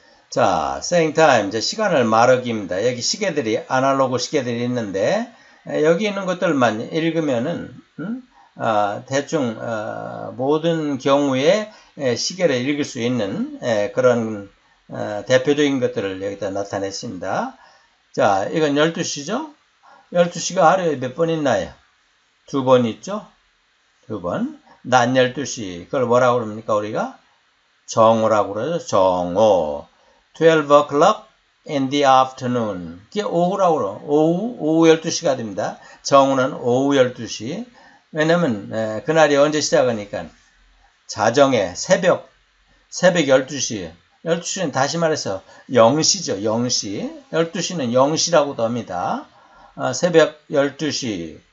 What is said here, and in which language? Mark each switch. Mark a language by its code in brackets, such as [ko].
[ko] 자, [en] saying time, [ko] 이제 시간을 말하기입니다. 여기 시계들이, 아날로그 시계들이 있는데, 여기 있는 것들만 읽으면은, 대충, 모든 경우에 시계를 읽을 수 있는 그런 대표적인 것들을 여기다 나타냈습니다. 자, 이건 12시죠? 12시가 하루에 몇번 있나요? 두번 있죠? 두 번. 낮 12시. 그걸 뭐라고 그럽니까, 우리가? 정오라고 그러죠. 정오. [en] 12 o'clock in the afternoon. [ko] 이게 오후라고 그러죠. 오후 12시가 됩니다. 정오는 오후 12시. 왜냐면, 그날이 언제 시작하니까. 자정에, 새벽 12시. 12시는 다시 말해서 0시죠, 0시. 12시는 0시라고도 합니다. 새벽 12시.